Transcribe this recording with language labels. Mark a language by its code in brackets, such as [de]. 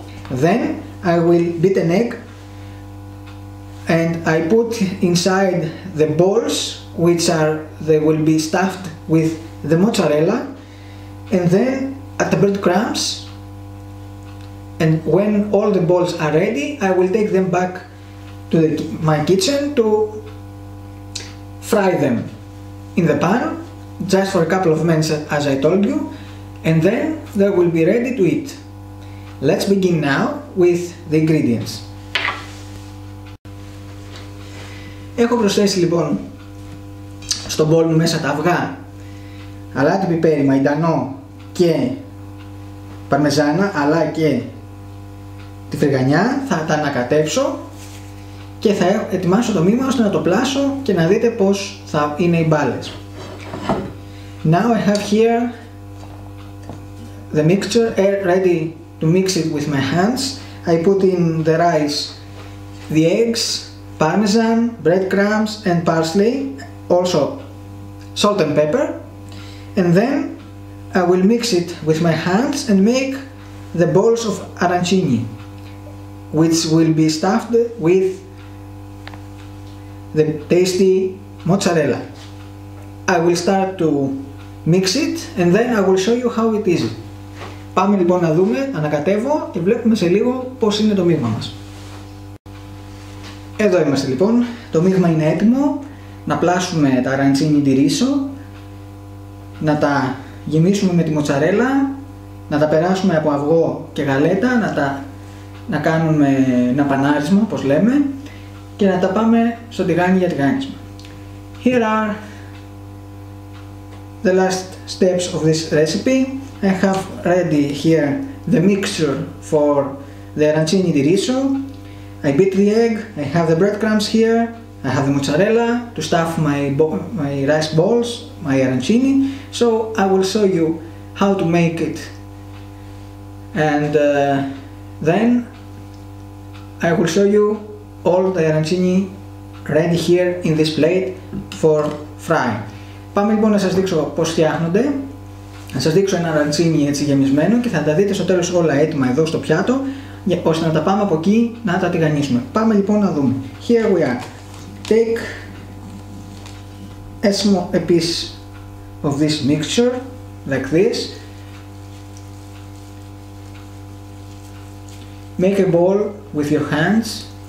[en] Then I will beat an egg, and I put inside the balls, which are, they will be stuffed with the mozzarella, and then at the breadcrumbs, and when all the balls are ready, I will take them back to my kitchen to fry them in the pan just for a couple of minutes, as I told you, and then they will be ready to eat. Let's begin now with the ingredients. [el] Έχω προσθέσει λοιπόν στον μπολ μου μέσα τα αυγά, αλάτι, πιπέρι, μαϊντανό και παρμεζάνα, αλλά και τη φρυγανιά, θα τα ανακατέψω και θα ετοιμάσω το μείγμα ώστε να το πλάσω και να δείτε πως θα είναι οι μπάλες. [en] Now I have here the mixture ready to mix it with my hands. I put in the rice, the eggs, parmesan, breadcrumbs and parsley, also salt and pepper, and then I will mix it with my hands and make the balls of arancini, which will be stuffed with the tasty mozzarella. I will start to mix it and then I will show you how it is. [el] Πάμε λοιπόν να δούμε, ανακατεύω και βλέπουμε σε λίγο πώς είναι το μείγμα μας. Εδώ είμαστε λοιπόν, το μείγμα είναι έτοιμο. Να πλάσουμε τα αραντσίνι τη ρίσο, να τα γεμίσουμε με τη μοτσαρέλα, να τα περάσουμε από αυγό και γαλέτα, να κάνουμε ένα πανάρισμα, όπως λέμε, και να τα πάμε στο τηγάνι για τηγάνισμα. [en] Here are the last steps of this recipe. I have ready here the mixture for the arancini di riso. I beat the egg, I have the breadcrumbs here, I have the mozzarella to stuff my rice balls, my arancini. So I will show you how to make it. And then I will show you all the arancini ready here in this plate for frying. [el] Πάμε λοιπόν να σας δείξω πώς φτιάχνονται. Να σας δείξω ένα αραντσίνι έτσι γεμισμένο και θα τα δείτε στο τέλος όλα έτοιμα εδώ στο πιάτο, ώστε να τα πάμε από εκεί να τα τηγανίσουμε. Πάμε λοιπόν να δούμε. [en] Here we are. Take a small piece of this mixture, like this. Make a ball with your hands.